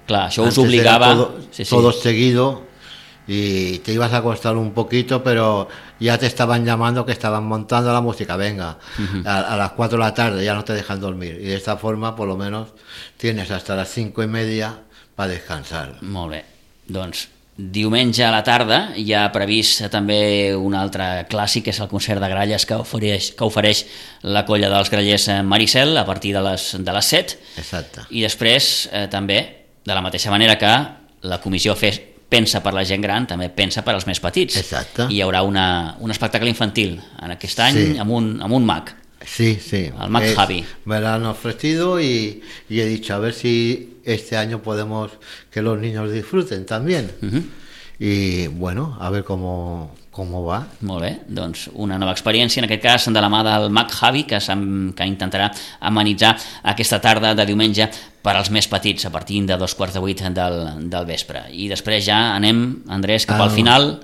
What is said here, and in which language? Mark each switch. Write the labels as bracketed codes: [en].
[es] claro, yo os obligaba todo seguido y te ibas a costar un poquito, pero ya te estaban llamando, que estaban montando la música, venga, uh-huh. a las 4 de la tarde ya no te dejan dormir, y de esta forma por lo menos tienes hasta las 5:30 para descansar. [ca] Molt bé, doncs diumenge a la tarda hi ha previst també un altre clàssic, que és el concert de gralles que ofereix la colla dels grallers Maricel a partir de les 7. Exacte. I després també, de la mateixa manera que la comissió pensa per la gent gran, també pensa per als més petits. Exacte. I hi haurà un espectacle infantil en aquest any, sí. amb un mag. Sí, sí. El mag Javi. [es] Me l'han ofrecido y he dicho a ver si este año podemos que los niños disfruten también. Uh-huh. Y bueno, a ver cómo va. [ca] Molt bé, doncs una nova experiència, en aquest cas de la mà del mag Javi, que intentarà amenitzar aquesta tarda de diumenge per als més petits, a partir de 7:45 del vespre. I després ja anem, Andrés, cap al final.